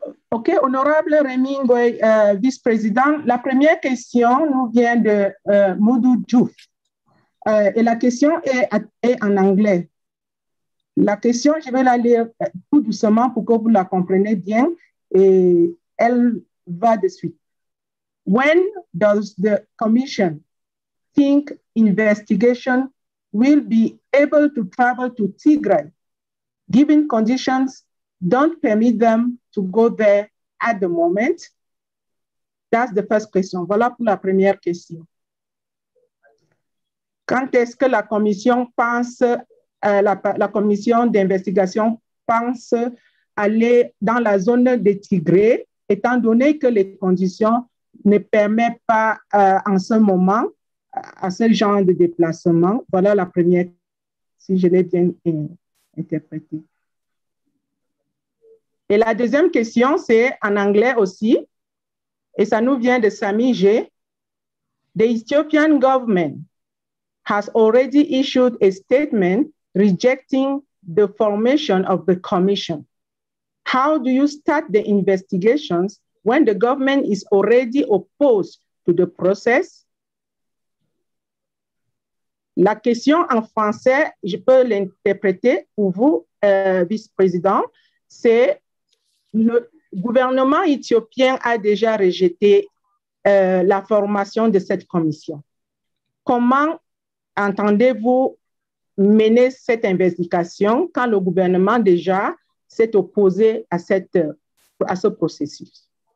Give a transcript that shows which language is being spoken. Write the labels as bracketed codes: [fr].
[fr] Ok, honorable Rémi Ngoy, vice-président, la première question nous vient de Mudu Jouf. Et la question est en anglais. La question, je vais la lire tout doucement pour que vous la compreniez bien et elle va de suite. [en] When does the commission think investigation will be able to travel to Tigray, given conditions don't permit them to go there at the moment? That's the first question. [fr] Voilà pour la première question. Quand est-ce que la commission d'investigation pense aller dans la zone de Tigray, étant donné que les conditions ne permet pas en ce moment à ce genre de déplacement? Voilà la première, si je l'ai bien interprété. Et la deuxième question, c'est en anglais aussi, et ça nous vient de Sami G. [en] The Ethiopian government has already issued a statement rejecting the formation of the commission. How do you start the investigations when the government is already opposed to the process? [fr] La question en français, je peux l'interpréter pour vous, vice-président, c'est: le gouvernement éthiopien a déjà rejeté la formation de cette commission. Comment entendez-vous mener cette investigation quand le gouvernement déjà s'est opposé à ce processus?